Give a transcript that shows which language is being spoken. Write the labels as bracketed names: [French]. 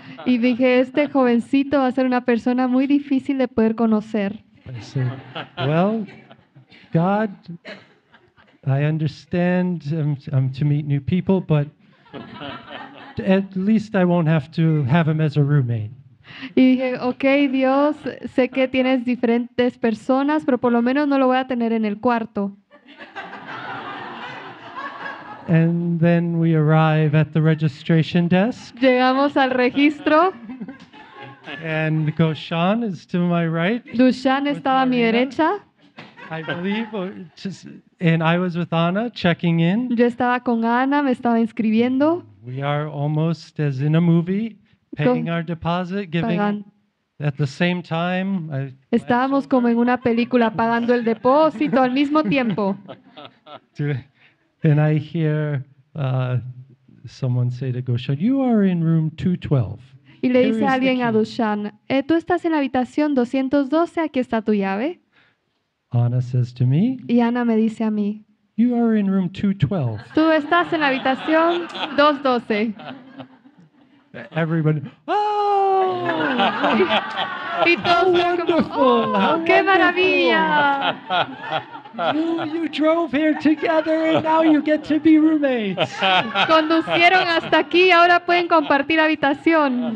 [Spanish] Y dije, este jovencito va a ser una persona muy difícil de poder conocer. [English] I said, well, God, I understand I'm to meet new people, but at least I won't have to have him as a roommate. [Spanish] Y dije, okay, Dios, sé que tienes diferentes personas, pero por lo menos no lo voy a tener en el cuarto. [English] And then we arrive at the registration desk. [Spanish] Llegamos al registro. [English] And Gushan is to my right. [Spanish] Dushan estaba a mi derecha. [English] I believe, and I was with Anna checking in. [Spanish] Yo estaba con Ana, me estaba inscribiendo. [English] We are almost as in a movie. Paying our deposit, giving at the same time. [Spanish] Estábamos como en una película pagando el depósito al mismo tiempo. [English] And I hear someone say to Gushan, "You are in room 212." [Spanish] Y le dice alguien a Dushan, "Tú estás en la habitación 212. Aquí está tu llave." [English] Anna says to me. [Spanish] Y Ana me dice a mí. [English] "You are in room 212." [Spanish] Tú estás en la habitación 212. [English] Everybody, oh, [Spanish] y todos [English] how wonderful, [Spanish] como, [English] oh, how [Spanish] qué [English] wonderful. [Spanish] Maravilla. [English] You drove here together and now you get to be roommates. [Spanish] Conducieron hasta aquí y ahora pueden compartir habitación.